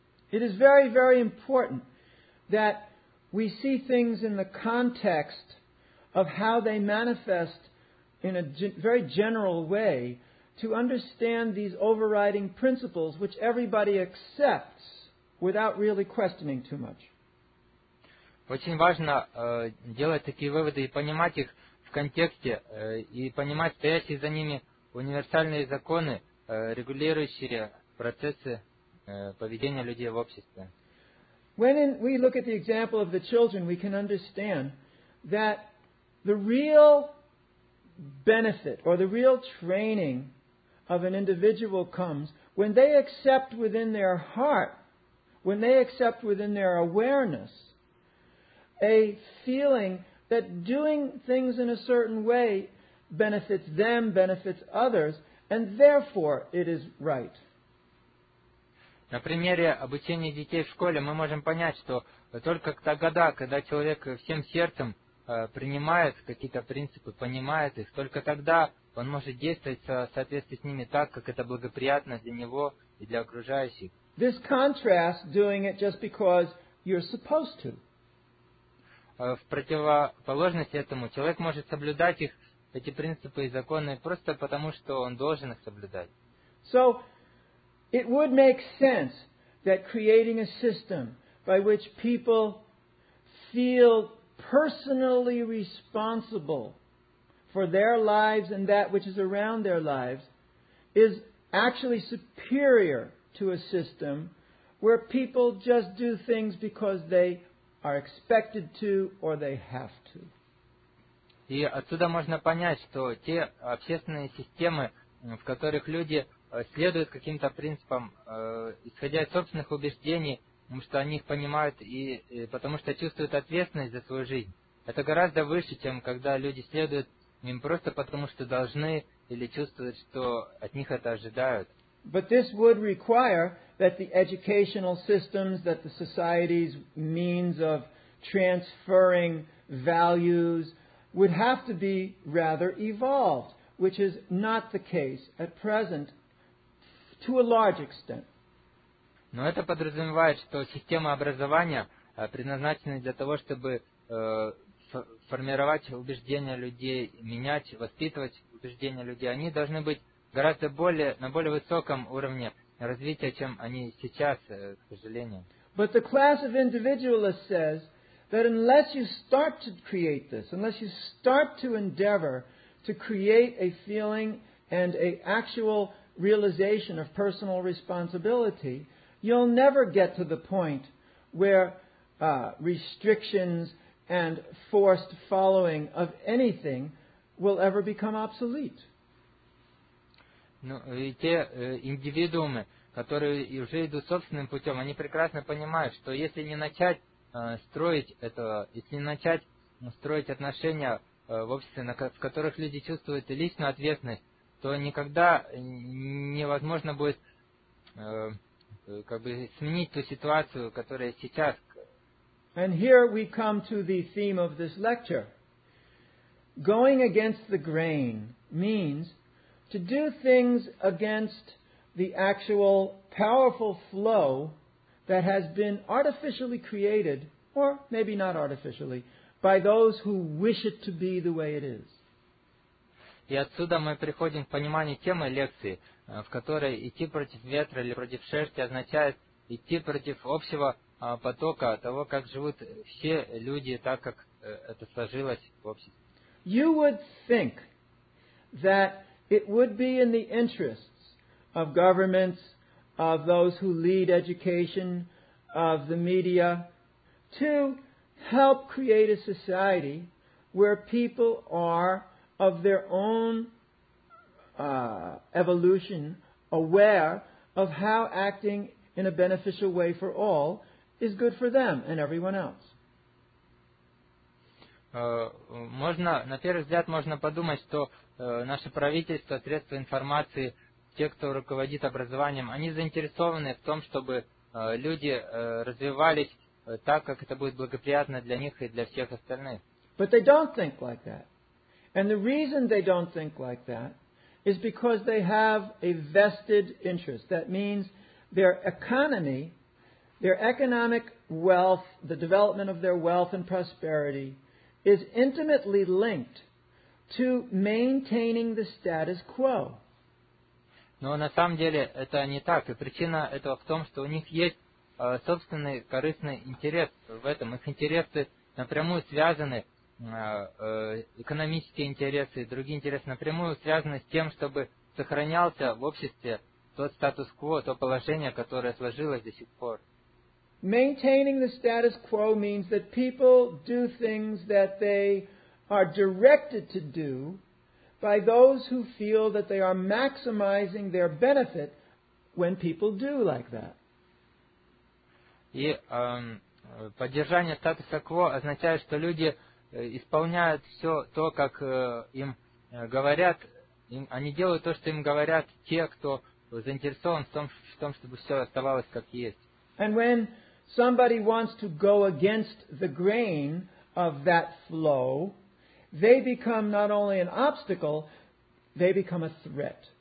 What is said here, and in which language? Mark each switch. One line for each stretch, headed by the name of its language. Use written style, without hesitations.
English: It is very, very important that we see things in the context of how they manifest in a very general way to understand these overriding principles which everybody accepts without really questioning too much.
Russian: Очень важно делать такие выводы и понимать их в контексте и понимать стоящие за ними универсальные законы, регулирующие процессы поведения людей в обществе.
English: When we look at the example of the children, we can understand that the real benefit or the real training of an individual comes when they accept within their heart, when they accept within their awareness, a feeling that doing things in a certain way benefits them, benefits others, and therefore it is right.
Russian: На примере обучения детей в школе мы можем понять, что только тогда, когда человек всем сердцем принимает какие-то принципы, понимает их, только тогда он может действовать в соответствии с ними так, как это благоприятно для него и для окружающих.
English: This contrast doing it just because you're supposed to.
Russian: В противоположность этому, человек может соблюдать их, эти принципы и законы, просто потому, что он должен их соблюдать.
English: So, it would make sense that creating a system by which people feel personally responsible for their lives and that which is around their lives is actually superior to a system where people just do things because they are expected to or they have to.
Russian: И отсюда можно понять, что те общественные системы, в которых люди следуют каким-то принципам, исходя из собственных убеждений, потому что они их понимают и потому что чувствуют ответственность за свою жизнь, это гораздо выше, чем когда люди следуют им просто потому, что должны или чувствуют, что от них это ожидают.
English: But this would require that the educational systems, that the society's means of transferring values would have to be rather evolved, which is not the case at present to a large extent.
Russian: Но это подразумевает, что система образования предназначена для того, чтобы формировать убеждения людей, менять, воспитывать убеждения людей. Они должны быть гораздо более, на более высоком уровне развития, чем они сейчас, к сожалению.
English: But the class of individualists says that unless you start to create this, unless you start to endeavor to create a feeling and a actual realization of personal responsibility, you'll never get to the point where restrictions and forced following of anything will ever become obsolete.
Russian: Ну, и те индивидуумы, которые уже идут собственным путем, они прекрасно понимают, что если не начать строить это, если не начать строить отношения в обществе, в которых люди чувствуют личную ответственность, то никогда невозможно будет как бы сменить ту ситуацию, которая сейчас.
English: And here we come to the theme of this lecture. Going against the grain means to do things against the actual powerful flow that has been artificially created, or maybe not artificially, by those who wish it to be the way it is.
Russian: И отсюда мы приходим к пониманию темы лекции, в которой идти против ветра или против шерсти означает идти против общего потока, того, как живут все люди, так как это сложилось в обществе.
English: You would think that it would be in the interests of governments, of those who lead education, of the media, to help create a society where people are of their own evolution aware of how acting in a beneficial way for all is good for them and everyone else.
Russian: Можно, на первый взгляд, можно подумать, что наше правительство, средства информации, те, кто руководит образованием, они заинтересованы в том, чтобы люди развивались так, как это будет благоприятно для них и для всех остальных.
English: But they don't think like that. And the reason they don't think like that is because they have a vested interest. That means their economy, their economic wealth, the development of their wealth and prosperity is intimately linked to maintaining the status quo.
Russian: Но на самом деле это не так. И причина этого в том, что у них есть собственный корыстный интерес в этом. Их интересы напрямую связаны экономические интересы и другие интересы напрямую связаны с тем, чтобы сохранялся в обществе тот статус-кво, то положение, которое сложилось до сих пор.
English: Maintaining the status quo means that people do things that they are directed to do by those who feel that they are maximizing their benefit when people do like that.
Russian: И поддержание статуса кво означает, что люди исполняют все то, как им говорят, они делают то, что им говорят те, кто заинтересован в том, чтобы все оставалось как есть.
English: And when somebody wants to go against the grain of that flow, they become not only an obstacle, they become a threat.